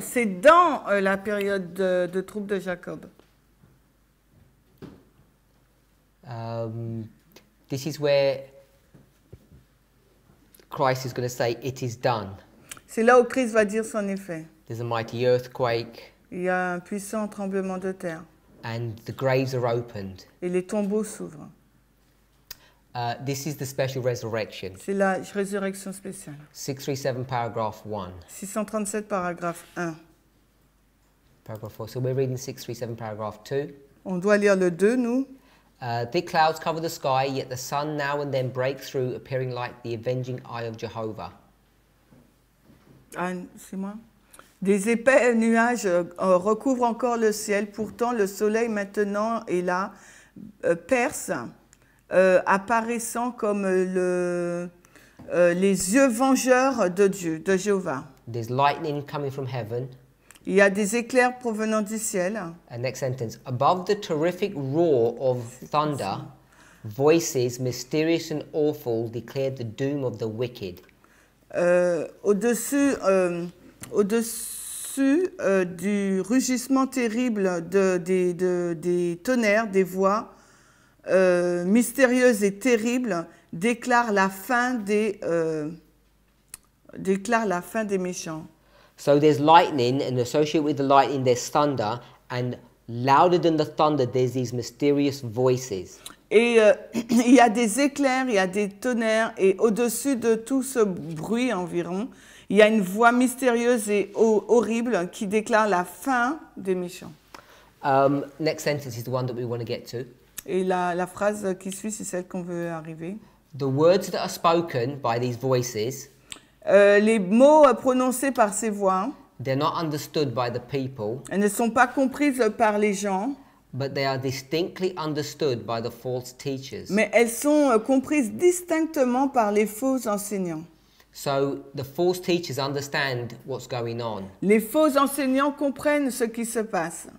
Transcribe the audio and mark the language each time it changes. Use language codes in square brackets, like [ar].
[fr] C'est dans la période de trouble de Jacob. [en] This is where Christ is going to say, "It is done." [fr] C'est là où Christ va dire son effet. [en] There's a mighty earthquake. [fr] Il y a un puissant tremblement de terre. [en] And the graves are opened. [fr] Et les tombeaux s'ouvrent. [en] This is the special resurrection. [fr] C'est la résurrection spéciale. [en] 637 paragraph 1. [fr] 637 paragraphe 1. [en] Paragraph 4. So we're reading 637 paragraph 2. [fr] On doit lire le 2, nous. [en] Thick clouds cover the sky, yet the sun now and then breaks through, appearing like the avenging eye of Jehovah. [fr] Ah, c'est moi. Des épais nuages recouvrent encore le ciel, pourtant le soleil maintenant est là, perce. apparaissant comme les yeux vengeurs de Dieu, de Jéhovah. [en] There's lightning coming from heaven. [fr] Il y a des éclairs provenant du ciel. [en] And next sentence. Above the terrific roar of thunder, voices mysterious and awful declared the doom of the wicked. [fr] Au-dessus du rugissement terrible des tonnerres, des voix mystérieuses et terribles déclarent la fin des méchants. [en] So there's lightning, and associated with the lightning, there's thunder, and louder than the thunder, there's these mysterious voices. [fr] Et il y a des éclairs, il y a des tonnerres, et au-dessus de tout ce bruit environ, il y a une voix mystérieuse et horrible qui déclare la fin des méchants. [en] Next sentence is the one that we want to get to. [fr] Et la phrase qui suit, c'est celle qu'on veut arriver. [en] The words that are spoken by these voices. [fr] Les mots prononcés par ces voix. [en] They're not understood by the people. [fr] Elles ne sont pas comprises par les gens. [en] But they are distinctly understood by the false teachers. [fr] Mais elles sont comprises distinctement par les faux enseignants. [en] So the false teachers understand what's going on. [fr] Les faux enseignants comprennent ce qui se passe.